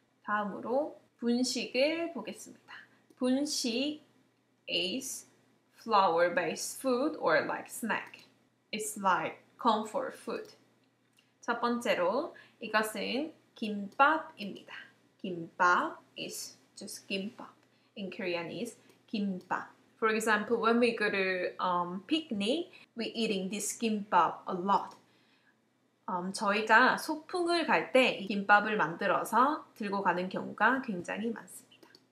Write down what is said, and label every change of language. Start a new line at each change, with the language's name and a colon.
Korean: 다음으로 분식을 보겠습니다.
English: 분식 is flour-based food or like snack. It's like comfort food.
Korean: 첫 번째로 이것은 김밥입니다.
English: 김밥 is just 김밥. In Korean is 김밥. For example, when we go to picnic, we're eating this 김밥 a lot.
Korean: 저희가 소풍을 갈 때 김밥을 만들어서 들고 가는 경우가 굉장히 많습니다.